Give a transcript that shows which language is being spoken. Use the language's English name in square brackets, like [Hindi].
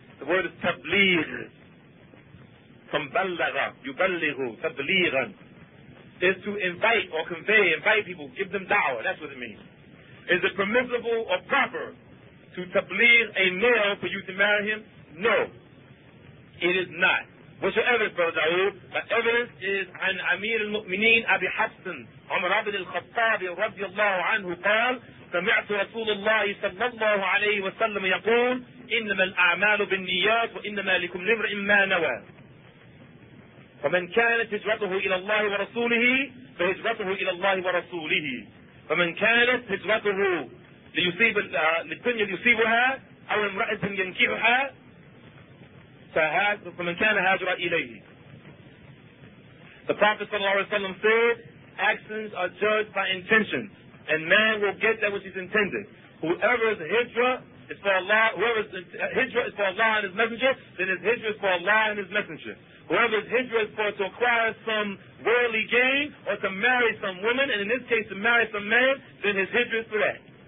[English] The word is tabligh. From ballagha, yuballighu, tabligha. Is to invite or convey, invite people, give them da'wah. That's what it means. Is it permissible or proper to tabligh a male for you to marry him? No. It is not. What's your evidence, Brother Dawood? My evidence is an Amir al-Mu'mineen Abi Hassan. [Arabic] عمر بن الخطاب رضي الله عنه قال سمعت رسول الله صلى الله عليه وسلم يقول إنما الأعمال بالنيات وإنما لكل امرئ ما نوى فمن كانت هجرته إلى الله ورسوله فهجرته إلى الله ورسوله فمن كانت هجرته ليصيب للدنيا ليصيبها أو امرأة ينكحها فمن كان هاجر إليه. [English] The Prophet [Arabic] صلى الله عليه وسلم [English] said, actions are judged by intentions, and man will get that which is intended. Whoever's hijra is for Allah, whoever's hijrah is for Allah and His Messenger, then his hijrah is for Allah and His Messenger. Whoever's hijrah is for to acquire some worldly gain or to marry some woman, and in this case to marry some man, then his hijrah is for that.